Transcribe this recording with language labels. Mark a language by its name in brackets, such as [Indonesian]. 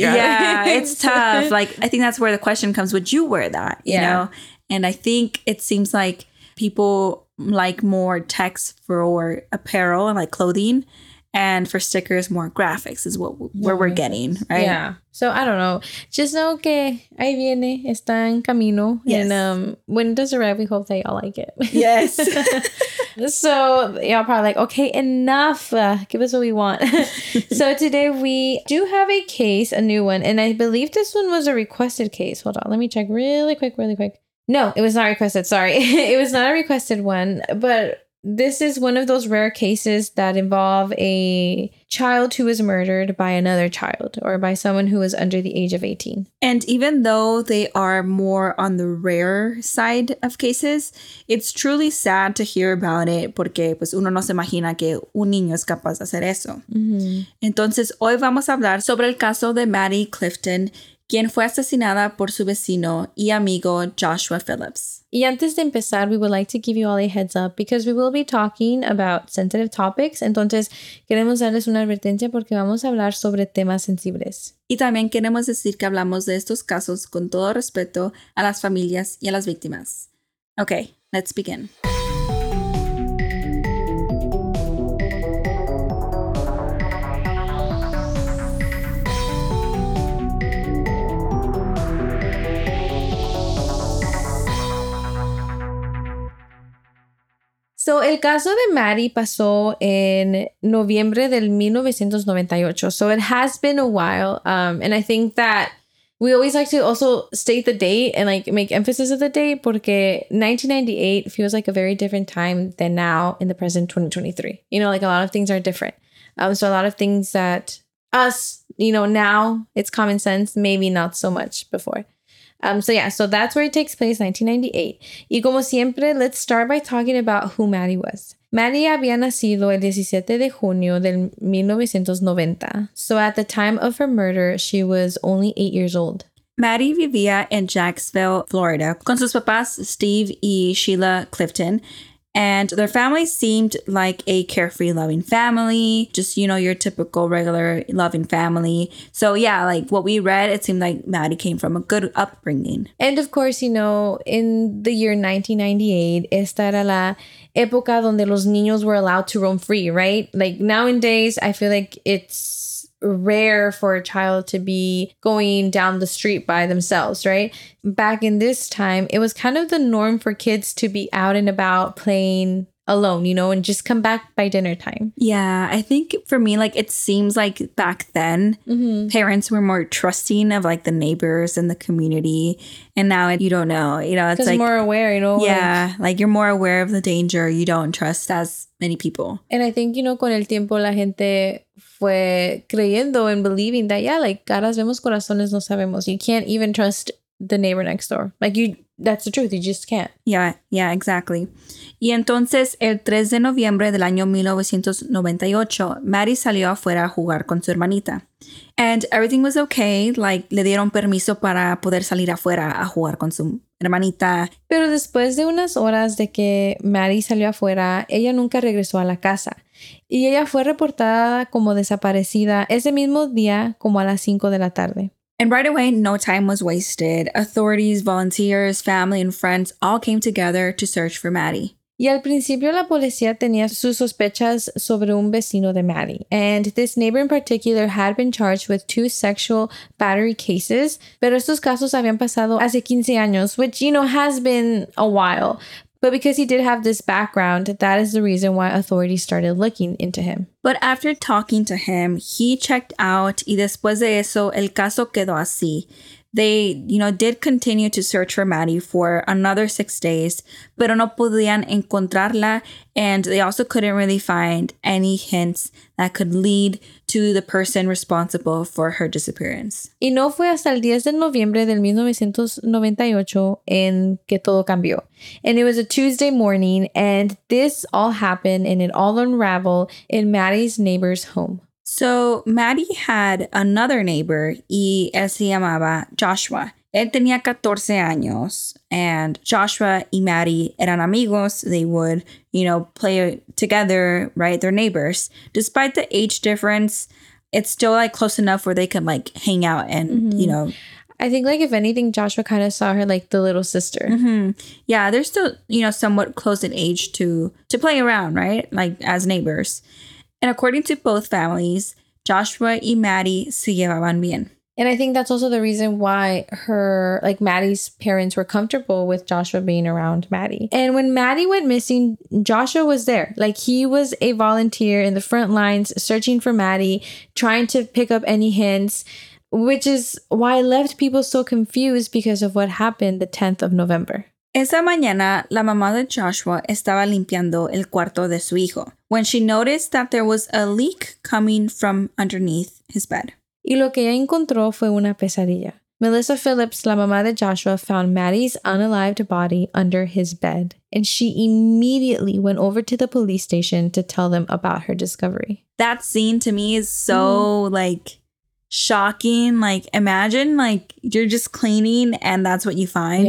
[English] Yeah, it's tough. Like, I think that's where the question comes. Would you wear that? You know? And I think it seems like people like more text for apparel and like clothing. And for stickers, more graphics is what we're getting, right? Yeah. So I don't know. Just know [Spanish] que ahí viene, está en camino. [English] Yes. And when it does arrive, we hope that y'all like it. Yes. So y'all probably like, okay, enough. Give us what we want. So today we do have a case, a new one. And I believe this one was a requested case. Hold on. Let me check really quick. No, it was not requested. Sorry. It was not a requested one, but this is one of those rare cases that involve a child who was murdered by another child or by someone who was under the age of 18. And even though they are more on the rare side of cases, it's truly sad to hear about it [Spanish] porque pues uno no se imagina que un niño es capaz de hacer eso. [English] Mm-hmm. [Spanish] Entonces, hoy vamos a hablar sobre el caso de Maddie Clifton, quien fue asesinada por su vecino y amigo Joshua Phillips. Y antes de empezar, [English] we would like to give you all a heads up because we will be talking about sensitive topics. [Spanish] Entonces, queremos darles una advertencia porque vamos a hablar sobre temas sensibles. Y también queremos decir que hablamos de estos casos con todo respeto a las familias y a las víctimas. [English] Okay, let's begin. [Spanish] So, el caso de Maddie pasó en noviembre del 1998. [English] So, it has been a while. And I think that we always like to also state the date and like make emphasis of the date porque 1998 feels like a very different time than now in the present 2023. You know, like a lot of things are different. So, a lot of things that us, you know, now it's common sense, maybe not so much before. So yeah, so that's where it takes place, 1998. [Spanish] Y como siempre, [English] let's start by talking about who Maddie was. [Spanish] Maddie había nacido el 17 de junio del 1990. [English] So at the time of her murder, she was only 8 years old. [Spanish] Maddie vivía en Jacksonville, Florida, con sus papás Steve y Sheila Clifton. [English] And their family seemed like a carefree, loving family. Just, you know, your typical, regular, loving family. So, yeah, like what we read, it seemed like Maddie came from a good upbringing. And of course, you know, in the year 1998, [Spanish] esta era la época donde los niños [English] were allowed to roam free, right? Like nowadays, I feel like it's rare for a child to be going down the street by themselves, right? Back in this time, it was kind of the norm for kids to be out and about playing alone, you know, and just come back by dinner time. Yeah, I think for me, like, it seems like back then, mm-hmm. parents were more trusting of like the neighbors and the community. And now you don't know, you know, it's like more aware, you know. Yeah, like you're more aware of the danger. You don't trust as many people. And I think, you know, [Spanish] con el tiempo la gente fue creyendo [English] and believing that, yeah, like [Spanish] caras vemos, corazones no sabemos. [English] You can't even trust the neighbor next door. Like, you, that's the truth. You just can't. Yeah, yeah, exactly. [Spanish] Y entonces, el 3 de noviembre del año 1998, Maddie salió afuera a jugar con su hermanita. [English] And everything was okay. [Spanish] Like, le dieron permiso para poder salir afuera a jugar con su hermanita. Pero después de unas horas de que Maddie salió afuera, ella nunca regresó a la casa. Y ella fue reportada como desaparecida ese mismo día, como a las 5 de la tarde. [English] And right away, no time was wasted. Authorities, volunteers, family, and friends all came together to search for Maddie. [Spanish] Y al principio, la policía tenía sus sospechas sobre un vecino de Maddie. [English] And this neighbor in particular had been charged with 2 sexual battery cases. [Spanish] Pero estos casos habían pasado hace 15 años, [English] which, you know, has been a while. But because he did have this background, that is the reason why authorities started looking into him. But after talking to him, he checked out. [Spanish] Y después de eso, el caso quedó así. [English] They, you know, did continue to search for Maddie for another 6 days, [Spanish] pero no podían encontrarla. [English] And they also couldn't really find any hints that could lead to the person responsible for her disappearance. [Spanish] Y no fue hasta el 10 de noviembre del 1998 en que todo cambió. [English] And it was a Tuesday morning, and this all happened and it all unraveled in Maddie's neighbor's home. So Maddie had another neighbor, [Spanish] y él se llamaba Joshua. Él tenía 14 años, and Joshua y Maddie eran amigos. [English] They would, you know, play together, right? They're neighbors. Despite the age difference, it's still, like, close enough where they could, like, hang out and, mm-hmm. you know. I think, like, if anything, Joshua kind of saw her like the little sister. Mm-hmm. Yeah, they're still, you know, somewhat close in age to play around, right? Like, as neighbors. And according to both families, Joshua y Maddie [Spanish] se llevaban bien. [English] And I think that's also the reason why her, like Maddie's parents were comfortable with Joshua being around Maddie. And when Maddie went missing, Joshua was there. Like, he was a volunteer in the front lines searching for Maddie, trying to pick up any hints, which is why it left people so confused because of what happened the 10th of November. [Spanish] Esa mañana, la mamá de Joshua estaba limpiando el cuarto de su hijo [English] when she noticed that there was a leak coming from underneath his bed. [Spanish] Y lo que ella encontró fue una pesadilla. [English] Melissa Phillips, [Spanish] la mamá de Joshua, [English] found Maddie's unalived body under his bed. And she immediately went over to the police station to tell them about her discovery. That scene to me is so, like, shocking. Like, imagine, like, you're just cleaning and that's what you find.